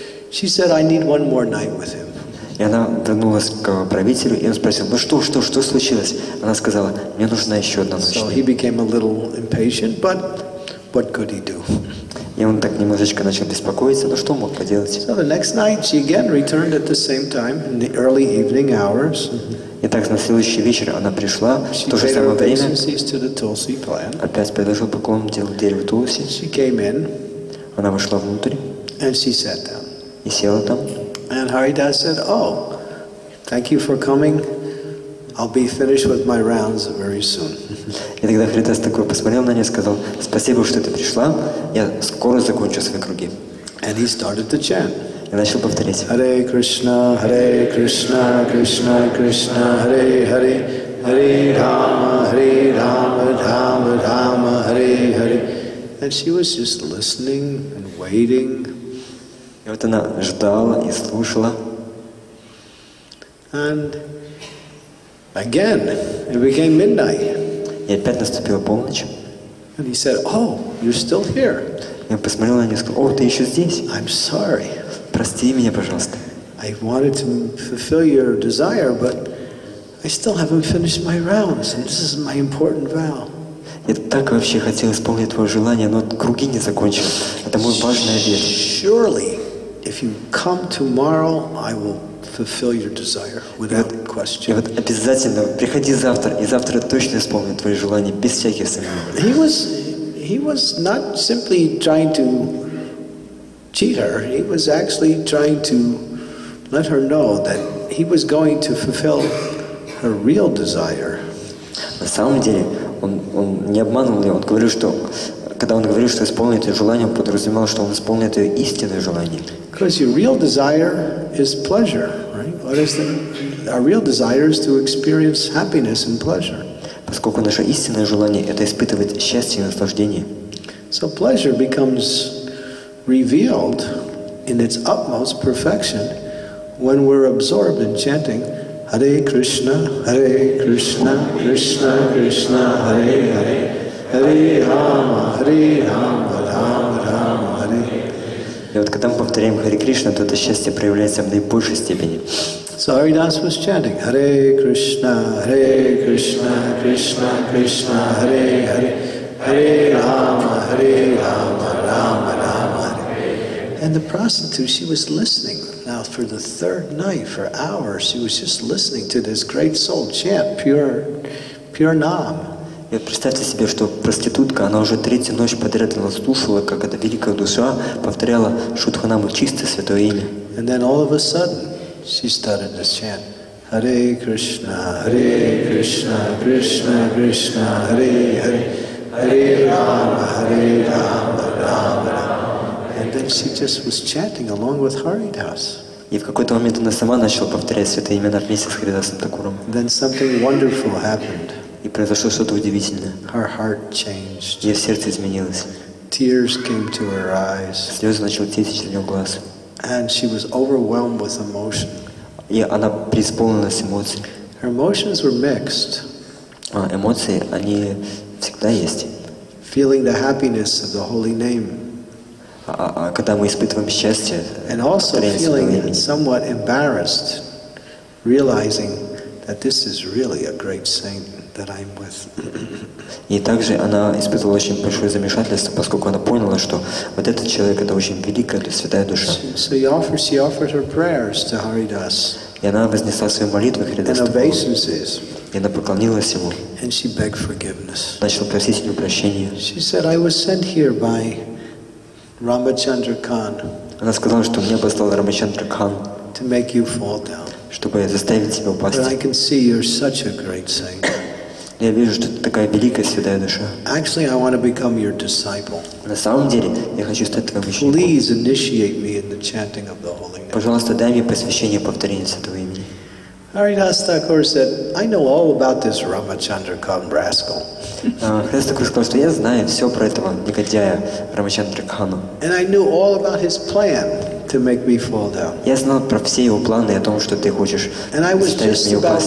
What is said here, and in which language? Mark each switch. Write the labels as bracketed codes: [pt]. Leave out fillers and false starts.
[en] She said, "I need one more night with him." [ru] И она вернулась к правителю, и он спросил, "Ну что случилось?" Она сказала, "Мне нужна еще одна ночь." [en] So he became a little impatient, but what could he do? [ru] И он так немножечко начал беспокоиться, но что мог поделать? [en] So the next night she again returned at the same time in the early evening hours. [ru] И так на следующий вечер она пришла в то же самое время. Опять предложил поклон дереву Тулси. [en] She came in. [ru] Она вошла внутрь. [en] And she sat down. [ru] И села там. [en] And Haridas said, "Oh, thank you for coming. I'll be finished with my rounds very soon." [ru] И тогда Харидас такой посмотрел на нее и сказал, "Спасибо, что ты пришла. Я скоро закончу свои круги." [en] And he started to chant. [ru] И начал повторять. [sa] Hare Krishna, Hare Krishna, Krishna Krishna, Hare Hare, Hare Rama, Hare Rama, Rama Rama, Hare Hare. [en] And she was just listening and waiting. [ru] И вот она ждала и слушала. [en] And again, it became midnight. [ru] И опять наступила полночь. [en] And he said, "Oh, you're still here." [ru] И он посмотрел на нее и сказал, "О, ты еще здесь?" [en] "I'm sorry." [ru] Прости меня, пожалуйста. [en] "I wanted to fulfill your desire, but I still haven't finished my rounds, and this is my important vow." [ru] Я так вообще хотел исполнить твое желание, но круги не закончил. Это мой важный обет. [en] Surely, if you come tomorrow, I will fulfill your desire without question. [ru] И вот обязательно приходи завтра, и завтра точно исполню твои желания без всяких сомнений. [en] He was not simply trying to cheat her. He was actually trying to let her know that he was going to fulfill her real desire. [ru] На самом деле, он не обманул ее. Он говорил, что когда он говорил, что исполнит ее желание, он подразумевал, что он исполнит ее истинное желание. [en] Because your real desire is pleasure, right? What is the, our real desire is to experience happiness and pleasure. [ru] Поскольку наше истинное желание – это испытывать счастье и наслаждение. [en] So pleasure becomes revealed in its utmost perfection when we're absorbed in chanting [sa] Hare Krishna, Hare Krishna, Krishna Krishna, Hare Hare, Hare Rama, Hare Rama, Rama Rama, Hare. [ru] И вот когда мы повторяем Hare Krishna, то это счастье проявляется в наибольшей степени. [en] So Haridas was chanting [sa] Hare Krishna, Hare Krishna, Krishna Krishna, Hare Hare, Hare Rama, Hare Rama, Rama Rama, Hare. [en] And the prostitute, she was listening. Now for the third night, for hours, she was just listening to this great soul chant pure Nam. [ru] И вот представьте себе, что проститутка, она уже третью ночь подряд она слушала, как эта великая душа повторяла Шудханаму чистое святое имя. [en] And then all of a sudden, she started to chant, [sa] Hare Krishna, Hare Krishna, Krishna Krishna, Hare Hare, Hare Rama, Hare Rama, Rama Rama. And then she just was chanting along with Haridas. [ru] И в какой-то момент она сама начала повторять святые имена вместе с Харидасом Такуром. [en] Then something wonderful happened. [ru] И произошло что-то удивительное. [en] Her heart changed. [ru] Ее сердце изменилось. [en] Tears came to her eyes. [ru] Слезы начали течь из ее глаз. [en] And she was overwhelmed with emotion. [ru] И она преисполнилась эмоций. [en] Her emotions were mixed. [ru] Эмоции, они всегда есть. [en] Feeling the happiness of the holy name. [ru] Когда мы испытываем счастье, [en] and also feeling somewhat embarrassed, realizing that this is really a great saint that I'm with. [ru] И также она испытывала очень большое замешательство, поскольку она поняла, что вот этот человек это очень великая, это святая душа. [en] So she offered her prayers to Haridas. [ru] И она вознесла свои молитвы Харидасу. [en] And obeisances. [ru] И она поклонилась ему. [en] And she begged forgiveness. [ru] Начала просить у него прощения. [en] She said, I was sent here by Ramachandra Khan. [ru] Она сказала, что меня послал Рамачандра Кан. [en] To make you fall down. [ru] Чтобы заставить тебя упасть. [en] But I can see you're such a great saint. [ru] Я вижу, что ты такая великая святая душа. [en] Actually, I want to become your disciple. [ru] На самом деле, я хочу стать твоим учеником. [en] Please initiate me in the chanting of the holy name. [ru] Пожалуйста, дай мне посвящение повторения святого имени. [en] Haridas Thakur said, I know all about this Ramachandra Khan rascal. [ru] Haridas Thakur сказал, что я знаю все про этого негодяя Рамачандра Кхана. [en] And I knew all about his plan to make me fall down. [ru] Я знал про все его планы о том, что ты хочешь заставить меня упасть.